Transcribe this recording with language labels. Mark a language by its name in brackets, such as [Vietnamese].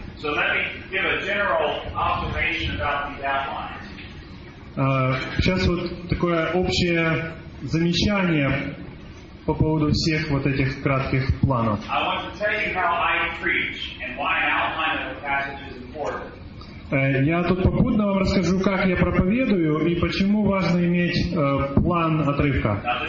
[English] So let me give a general observation about these outlines. [Russian] Сейчас вот такое общее замечание по поводу всех вот этих кратких планов. [English] I want to tell you how I preach and why an outline of the passage is important. [Russian] Я тут попутно вам расскажу, как я проповедую и почему важно иметь план отрывка.